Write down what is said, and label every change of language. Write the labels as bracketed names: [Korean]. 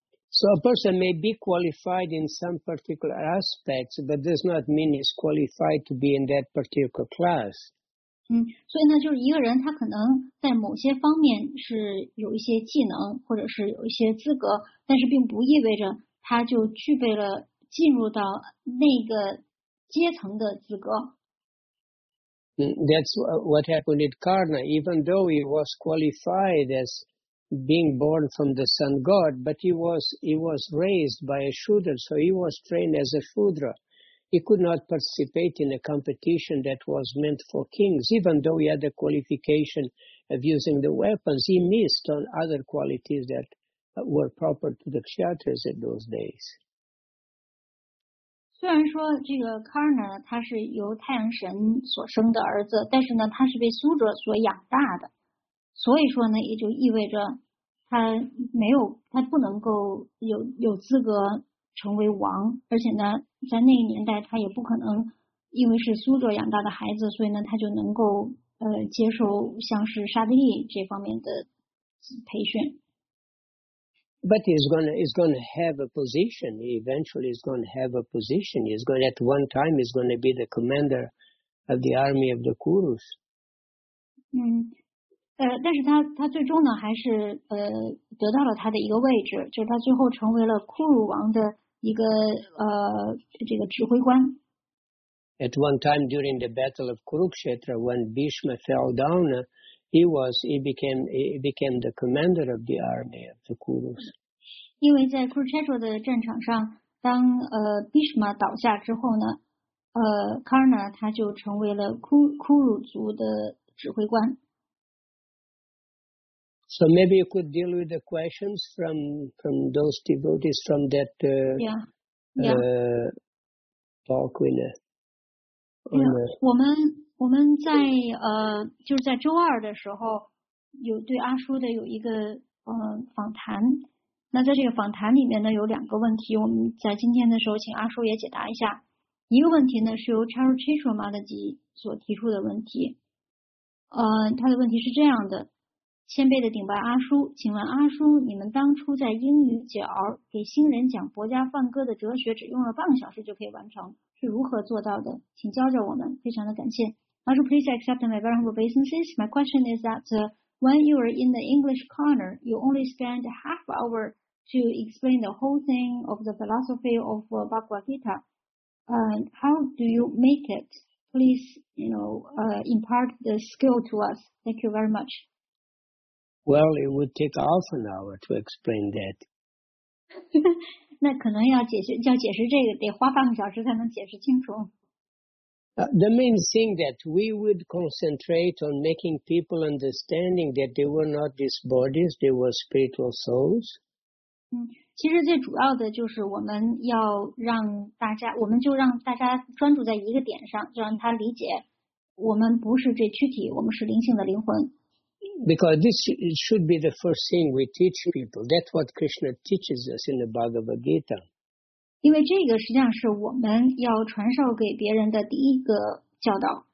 [English] So a person may be qualified in some particular aspects, but does not mean he's qualified to be in that particular class. [Chinese] 所以呢，就是一个人他可能在某些方面是有一些技能或者是有一些资格，但是并不意味着他就具备了进入到那个阶层的资格。 [English] That's what happened at Karna. Even though he was qualified as being born from the sun god, but he was raised by a shudra, so he was trained as a shudra. He could not participate in a competition that was meant for kings, even though he had the qualification of using the weapons. He missed on other qualities that were proper to the kshatriyas in those days. [Chinese] 虽然说这个 Karna 他是由太阳神所生的儿子，但是呢，他是被苏哲所养大的，所以说呢，也就意味着他没有，他不能够有资格成为王，而且呢，在那个年代，他也不可能因为是苏哲养大的孩子，所以呢，他就能够接受像是沙地利这方面的培训。 [English] But he's gonna have a position. He eventually is gonna have a position. He's going at one time. He's gonna be the commander of the army of the Kurus. [Chinese] 但是他最终呢，还是得到了他的一个位置，就是他最后成为了库鲁王的一个这个指挥官。 [English] At one time during the Battle of Kurukshetra, when Bhishma fell down, he became the commander of the army of the Kurus. [Chinese] 因为在 Kurukshetra 的战场上，当Bhishma 倒下之后呢，Karna 他就成为了库鲁族的指挥官。 [English] So maybe you could deal with the questions from those devotees from that talk with the. [Chinese] 我们在就是在周二的时候有对阿叔的有一个访谈。那在这个访谈里面呢，有两个问题，我们在今天的时候请阿叔也解答一下。一个问题呢是由 Charu Chisho Mataji 所提出的问题。他的问题是这样的。先辈的顶拜阿叔，请问阿叔，你们当初在英语角给新人讲佛家梵歌的哲学，只用了半个小时就可以完成，是如何做到的？请教教我们，非常的感谢。 [English] 阿叔 ，please accept my very humble obeisances. My question is that when you were in the English corner, you only spend half hour to explain the whole thing of the philosophy of Bhagavad Gita. How do you make it? Please, you know, impart the skill to us. Thank you very much. Well, it would take half an hour to explain that. [Chinese] 那可能要解释，要解释这个，得花半个小时才能解释清楚。 [English] The main thing that we would concentrate on making people understanding that they were not these bodies, they were spiritual souls. [Chinese] 其实最主要的就是我们要让大家，我们就让大家专注在一个点上，就让他理解，我们不是这躯体，我们是灵性的灵魂。 [English] Because this should be the first thing we teach people. That's what Krishna teaches us in the Bhagavad Gita. [Chinese] 因为这个实际上是我们要传授给别人的第一个教导。